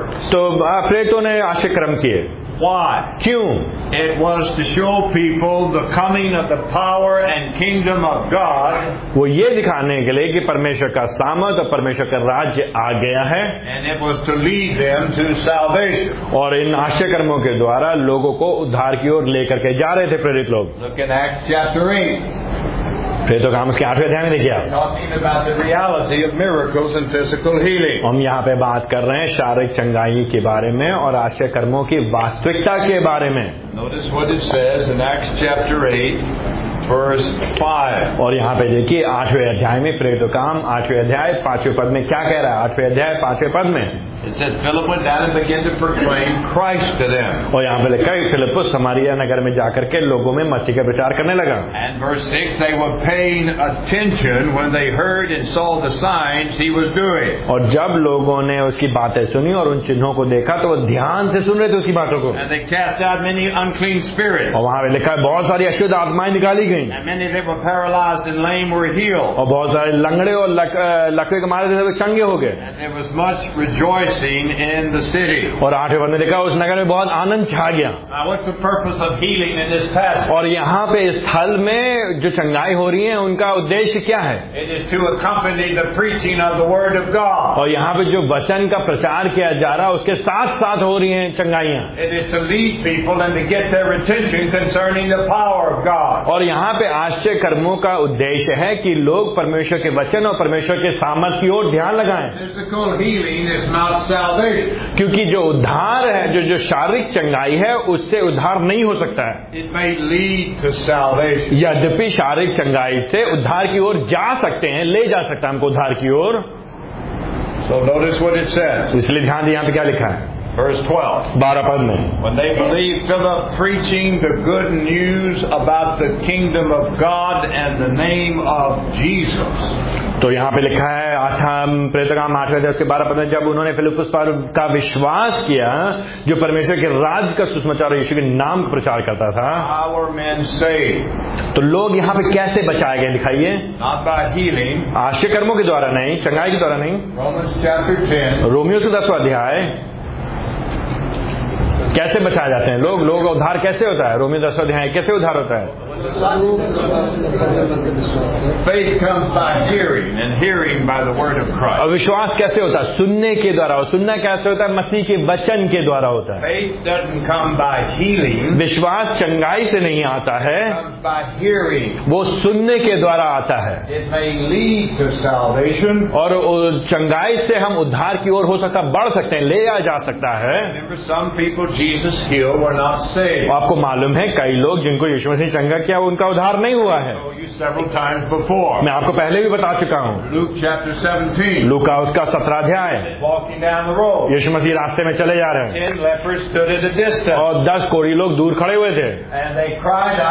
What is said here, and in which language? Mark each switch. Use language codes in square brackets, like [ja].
[hi] तो प्रेरितों ने आश्चर्यकर्म किए. [en] Why? [hi] क्यों? [en] It was to show people the coming of the power and kingdom of God. [hi] वो ये दिखाने के लिए कि परमेश्वर का सामर्थ्य और परमेश्वर का राज्य आ गया. किया है और इन आश्चर्य कर्मों के द्वारा लोगों को उद्धार की ओर लेकर के जा रहे थे प्रेरित लोग. फिर तो काम उसके आठवें अध्याय में देखिए हम यहाँ पे बात कर रहे हैं शारीरिक चंगाई के बारे में और आश्चर्य कर्मों की वास्तविकता के बारे में. [en] Notice what it says in Acts chapter 8, verse 5. [hi] और यहाँ पे देखिए आठवें अध्याय में प्रेरित काम आठवें अध्याय पांचवें पद में क्या कह रहा है. आठवें अध्याय पांचवें पद में [en] It says, Philip went down and began to proclaim Christ to them. [hi] और यहाँ पे लिखा है फिलिपुस समारिया नगर में जाकर के लोगों में मसीह का प्रचार करने लगा. [en] And verse 6, they were paying attention when they heard and saw the signs he was doing. [hi] और जब लोगों ने उसकी बातें सुनी और उन चिन्हों को देखा तो वो ध्यान से सुन रहे थे उसकी बातों को. [en] And they cast out many unclean spirits. [hi] और वहाँ पे लिखा है बहुत सारी अशुद्ध आत्माएं निकाली गई. [en] And many that were paralyzed and lame were healed. [hi] और बहुत सारे लंगड़े और लकवे के मारे थे वो चंगे हो गए. [en] And there was much rejoicing. In the city. [hi] और आठवें ने देखा उस नगर में बहुत आनंद छा गया. [en] Now, what's the purpose of healing in this passage? [hi] और यहाँ पे इस स्थल में जो चंगाई हो रही है उनका उद्देश्य क्या है. [en] It is to accompany the preaching of the word of God. [hi] और यहाँ पे जो वचन का प्रचार किया जा रहा है उसके साथ साथ हो रही है चंगाइयाँ. [en] It is to lead people and to get their attention concerning the power of God. [hi] और यहाँ पे आश्चर्य कर्मों का उद्देश्य है कि लोग परमेश्वर के वचन और परमेश्वर के सामर्थ्य की ओर ध्यान लगाएं. [en] Physical healing is not salvation. [hi] क्योंकि जो उद्धार है जो शारीरिक चंगाई है उससे उद्धार नहीं हो सकता है. [en] It may lead to salvation. [hi] यद्यपि शारीरिक चंगाई से उद्धार की ओर जा सकते हैं ले जा सकता है हमको उद्धार की ओर. [en] So notice what it says. [hi] इसलिए ध्यान दिया यहाँ पे क्या लिखा है. [en] Verse 12. [hi] 12 पद में. [en] When they believed Philip preaching the good news about the kingdom of God and the name of Jesus. [hi] तो यहाँ पे लिखा है प्रेतगाम आठवें अध्याय के 12 पद में जब उन्होंने फिलिपुस पर का विश्वास किया जो परमेश्वर के राज का सुसमाचार यीशु के नाम का प्रचार करता था. [en] Our men saved. [hi] तो लोग यहाँ पे कैसे बचाए गए दिखाइए. [en] Not by healing. [hi] आश्चर्य कर्मों के द्वारा नहीं चंगाई के द्वारा नहीं. [en] Romans chapter 10. [hi] रोमियो से 10वां अध्याय कैसे बचाए जाते हैं लोग का उद्धार कैसे होता है. रोमियो 10वां अध्याय कैसे उद्धार होता है. [en] Faith comes by hearing and hearing by the word of Christ. [hi] और विश्वास कैसे होता है सुनने के द्वारा. सुनना कैसे होता है मसीह के वचन के द्वारा होता है. [en] Faith doesn't come by healing. [hi] विश्वास चंगाई से नहीं आता है. [en] It comes by hearing. [hi] वो सुनने के द्वारा आता है. [en] It may lead to salvation. [hi] और चंगाई से हम उद्धार की ओर हो सकता बढ़ सकते हैं लिया जा सकता है. [en] Remember, some people Jesus healed were not saved. [hi] आपको मालूम है कई लोग जिनको यीशु मसीह चंगा क्या उनका उद्धार नहीं हुआ है. मैं आपको पहले भी बता चुका हूँ. लूका उसका 17 अध्याय यीशु मसीह रास्ते में चले जा रहे हैं और 10 कोढ़ी लोग दूर खड़े हुए थे